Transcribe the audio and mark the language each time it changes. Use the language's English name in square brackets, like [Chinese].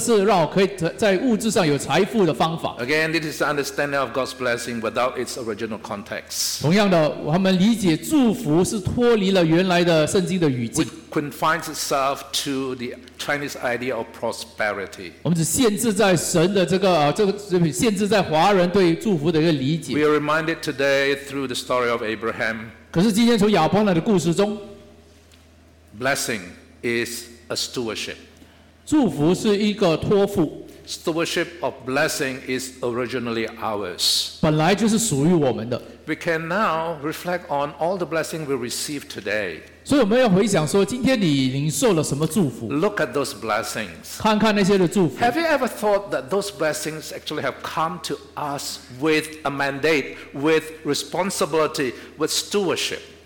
[Chinese] 所以很多人喜欢这本书，因为他觉得说，哦，这个是让我可以在物质上有财富的方法。 [English] Again, this is the understanding of God's blessing without its original context. [Chinese] 同样的，他们理解祝福是脱离了原来的圣经的语境。 [English] We confines itself to the Chinese idea of prosperity. [Chinese] 我们只限制在神的这个，限制在华人对祝福的一个理解。 [English] We are reminded today through the story of Abraham. [Chinese] 可是今天从亚伯拉的故事中， [English] blessing is a stewardship. [Chinese] 祝福是一个托付。 [English] Stewardship of blessing is originally ours. [Chinese] 本来就是属于我们的。 [English] We can now reflect on all the blessing we receive today. [Chinese] 所以我们要回想说，今天你领受了什么祝福？ [English] Look at those blessings. [Chinese] 看看那些的祝福。 [English] Have you ever thought that those blessings actually have come to us with a mandate, with responsibility, with stewardship?